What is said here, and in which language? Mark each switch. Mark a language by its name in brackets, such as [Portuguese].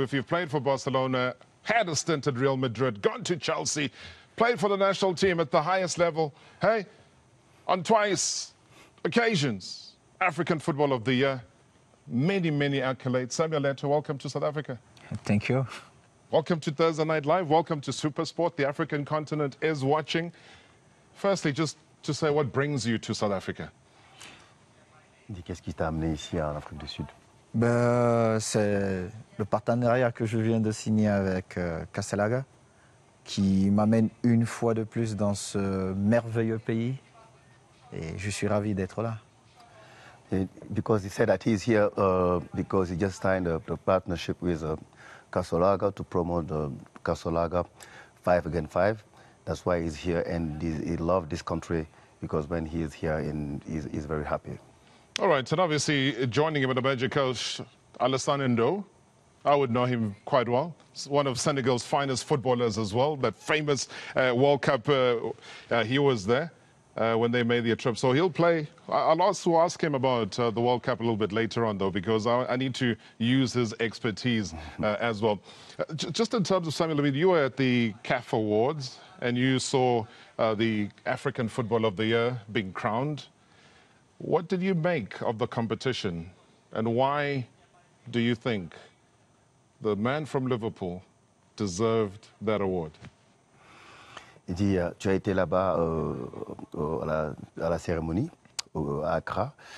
[English] If you've played for Barcelona, had a stint at Real Madrid, gone to Chelsea, played for the national team at the highest level, hey, on twice occasions, African Football of the Year. Many, many accolades. Samuel Eto'o, welcome to South Africa. Thank you. Welcome to Thursday Night Live. Welcome to Supersport. The African continent is watching. Firstly, just to say, what brings you to South Africa? [French] Qu'est-ce qui t'a amené ici en Afrique du Sud? C'est le partenariat que je viens de signer avec Castellaga, qui m'amène une fois de plus dans ce merveilleux pays. Et je suis ravi d'être là. [English] Because he said that he's here because he just signed a partnership with Casolaga to promote Casolaga 5 against 5. That's why he's here, and he loved this country, because when he's here, he's very happy. All right, and obviously joining him in the Magic Couch, Alassane Ndo. I would know him quite well. He's one of Senegal's finest footballers as well. That famous World Cup, he was there. When they made their trip. So he'll play. I'll also ask him about the World Cup a little bit later on, though, because I need to use his expertise as well. Just in terms of Samuel, I mean, you were at the CAF Awards and you saw the African Football of the Year being crowned. What did you make of the competition, and why do you think the man from Liverpool deserved that award? [French] Il dit, tu as été là-bas à la cérémonie, à Accra.